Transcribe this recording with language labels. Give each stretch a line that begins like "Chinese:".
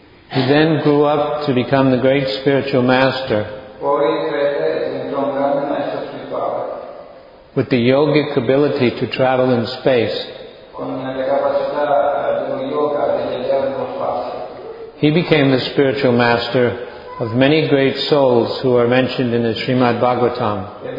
English: He then grew up to become the great spiritual master.
Italian: Poi crebbe e diventò un grande maestro spirituale.
English: With the yogic ability to travel in space.
Italian: Con le capacità dello yoga di viaggiare nello spazio.
English: He became the spiritual master of many great souls who are mentioned in the Srimad Bhagavatam.